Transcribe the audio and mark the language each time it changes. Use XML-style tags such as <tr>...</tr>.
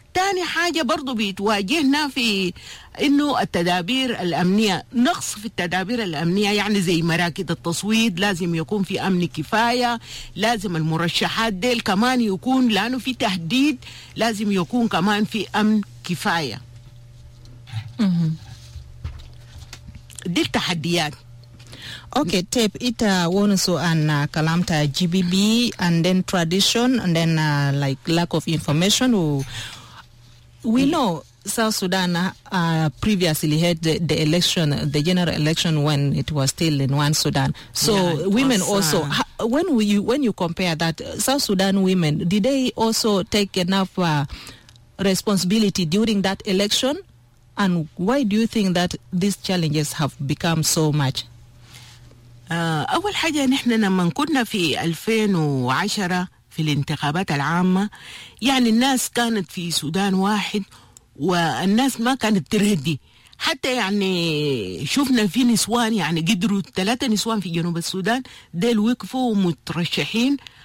<ar>تاني حاجة برضو بيتواجهنا في انه التدابير الامنية، نقص في التدابير الامنية، يعني زي مراكز التصويت لازم يكون في امن كفاية، لازم المرشحات ديل كمان يكون لانه في تهديد لازم يكون كمان في امن كفاية. دي التحديات.</ar> <en>Okay, tape it one so and kalamta GBB and then tradition and then like lack of information. We know South Sudan previously had the election, the general election, when it was still in one Sudan. So yeah, women was, also, when you compare that, South Sudan women, did they also take enough responsibility during that election? And why do you think that these challenges have become so much?</en> <ar>أول حاجة نحن لما كنا في 2010 في الانتخابات العامة، يعني الناس كانت في سودان واحد والناس ما كانت تردي، حتى يعني شفنا في نسوان يعني قدروا 3 نسوان في جنوب السودان ديل وقفوا مترشحين،</ar>